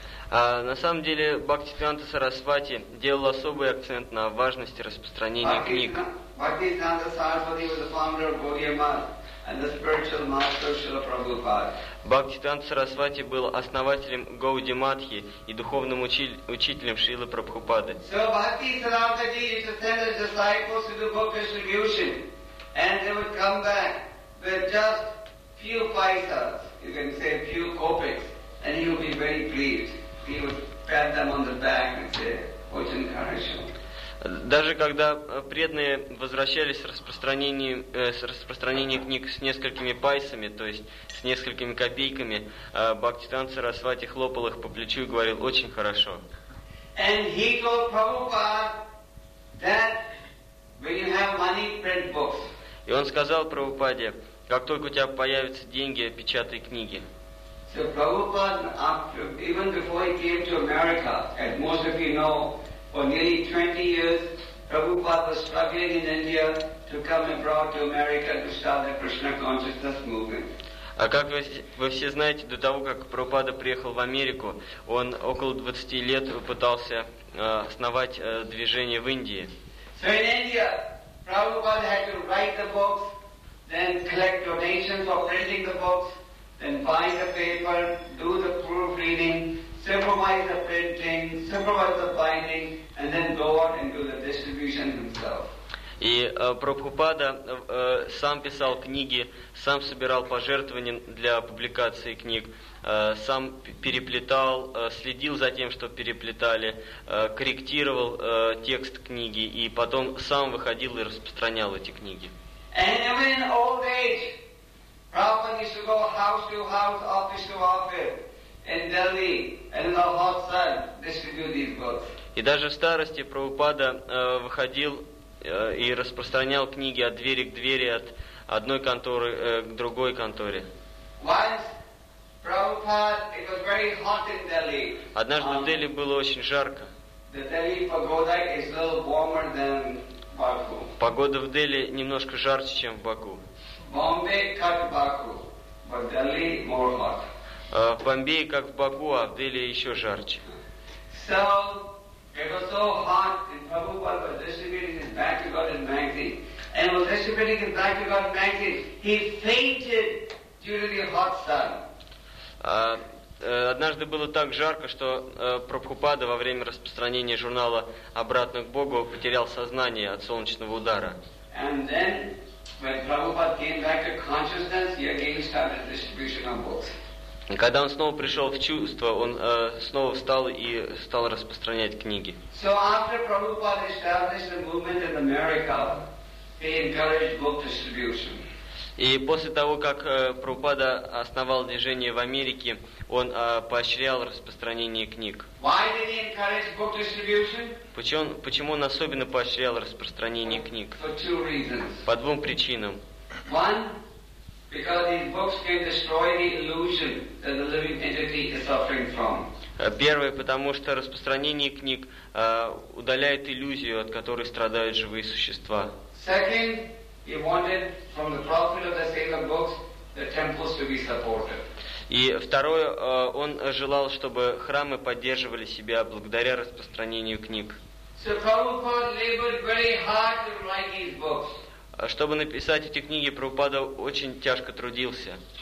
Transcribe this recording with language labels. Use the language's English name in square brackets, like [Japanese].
[Russian] На самом деле Бхактисиддханта Сарасвати делал особый акцент на важности распространения книг. Бхактисиддханта Сарасвати был основателем Гауди Матхи и духовным учителем Шрилы Прабхупады. [English] So Bhaktisiddhanta ji used to send his disciples to do book distribution, and they would come back with just few paisas, you can say few kopecks, and he would be very pleased. He would pat them on the back and say, [Russian] "Очень хорошо." Даже когда преданные возвращались с распространения книг с несколькими пайсами, то есть с несколькими копейками, Бхактисиддханта Сарасвати хлопал их по плечу и говорил: «Очень хорошо». [English] And he told Prabhupada that when you have money, print books. [Russian] И он сказал Прабхупаде: «Как только у тебя появятся деньги, печатай книги». [English] So Prabhupada, after, even before he came to America, as most of you know, for nearly 20 years, Prabhupada was struggling in India to come abroad to America to start the Krishna consciousness movement. [Russian] А как вы все знаете, до того как Прабхупада приехал в Америку, он около 20 лет пытался основать движение в Индии. [English] So in India, Prabhupada had to write the books, then collect donations for printing the books, then buy the paper, do the proofreading, supervise the printing, supervise the binding, and then go on and do the distribution himself. [Russian] И Прабхупада сам писал книги, сам собирал пожертвования для публикации книг, сам переплетал, следил за тем, что переплетали, корректировал текст книги, и потом сам выходил и распространял эти книги. [English] And even in old age, Prabhupada used to go house to house, office to office. In Delhi, and in the hot sun, distribute these books. [Russian] И даже в старости Прабхупада выходил и распространял книги от двери к двери, от одной конторы к другой конторе. [English] Once Prabhupada, it was very hot in Delhi. [Russian] Однажды в Дели было очень жарко. [English] The Delhi pagoda is a little warmer than Baku. [Russian] Погода в Дели немножко жарче, чем в Баку. [English] Bombay cut Baku, but Delhi more hot. [Russian] В Бомбее, как в Баку, а в Дели еще жарче. [English] So, it was so hot, and Prabhupada was distributing his Bhaktivedanta magazine. And was distributing his Bhaktivedanta magazine. He fainted due to the hot sun. [Russian] Однажды было так жарко, что Прабхупада во время распространения журнала «Обратно к Богу» потерял сознание от солнечного удара. [English] And then, when Prabhupada came back to consciousness, he again started distribution of books. [Russian] Когда он снова пришел в чувство, он снова встал и стал распространять книги. [English] So after Prabhupada established a movement in America, he encouraged book distribution. [Russian] И после того, как Прабхупада основал движение в Америке, он поощрял распространение книг. [English] Why did he encourage book distribution? [Russian] Почему он особенно поощрял распространение книг? [English] For two reasons. [Russian] По двум причинам. [English] One, because these books can destroy the illusion that the living entity is suffering from. [Russian] Первое, потому что распространение книг удаляет иллюзию, от которой страдают живые существа. [English] Second, he wanted from the profit of the sale of books the temples to be supported. [Russian] И второе, он желал, чтобы храмы поддерживали себя благодаря распространению книг. [English] So Prabhupada labored very hard to write these books. [Russian] Чтобы написать эти книги, Прабхупада очень тяжко трудился.